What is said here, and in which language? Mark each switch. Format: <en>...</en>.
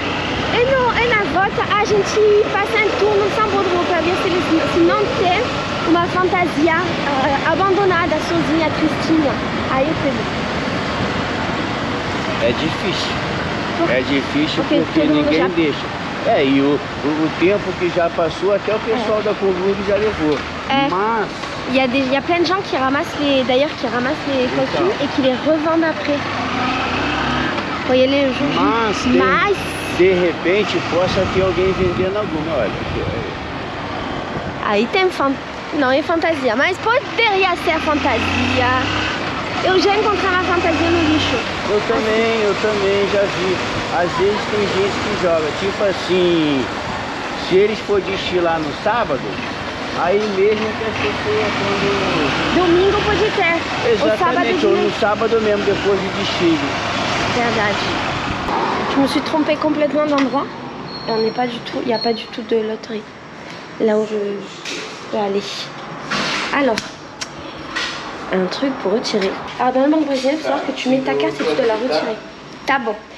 <pt>E, no, e na volta, a gente passa um turno no Sambodro para ver se, eles, se não tem uma fantasia abandonada, sozinha, tristinha. Aí eu fiz. É difícil. É difícil porque ninguém deixa. É, e o tempo que já passou, até o pessoal da Comune já levou. É. Mas.</pt> <fr>Il y a des, il y a plein de gens qui ramassent les, d'ailleurs qui ramassent les costumes et qui les revendent après. Voyez les gens.</fr> <pt>Mas, mas de repente possa ter alguém vendendo alguma, olha. Aí tem fan... Não, é fantasia, mas poderia ser fantasia. Eu já encontrei uma fantasia no lixo. Eu também já vi. Às vezes tem gente que joga, tipo assim, se eles for desfilar no sábado, aí mesmo que as pessoas quando... Domingo pode ter. Exatamente, ou no sábado mesmo, depois de desfile. Verdade.</pt> <fr>Je me suis trompée complètement d'endroit. Et on n'est pas du tout, il n'y a pas du tout de loterie. Là où je peux aller. Alors. Un truc pour retirer. Alors dans le banque brésilienne, il faut savoir que tu mets ta carte et tu dois la retirer. T'as bon.</fr>